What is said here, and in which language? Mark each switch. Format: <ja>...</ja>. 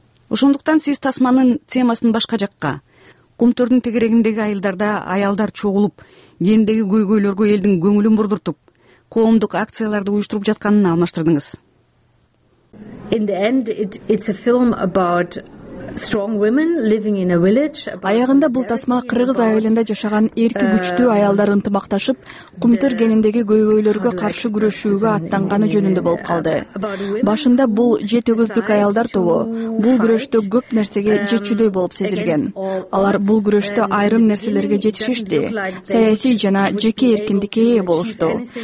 <ky>Ошондуктан сиз тасманын темасын башка жакка, Кумтөрдүн тегерегиндеги айылдарда аялдар чогулуп, кендеги көйгөйлөргө элдин көңүлүн бурдуртуп, коомдук акцияларды уюштуруп жатканын алмаштырдыңыз.</ky> <en>In the end it's a film about strong women living in a village.</en> <ky>Аягында бул тасма кыргыз айылында жашаган эрки күчтүү аялдар ынтымакташып, Кумтөр кенендеги көйгөйлөргө каршы күрөшүүгө аттанганы жөнүндө болуп калды. Башында бул жетегүздүк аялдар тобу бул күрөштө көп нерсеге жетчүдөй болуп сезилген. Алар бул күрөштө айрым нерселерге жетишишти. Саясий жана жеке эркиндикке ээ болушту.</ky>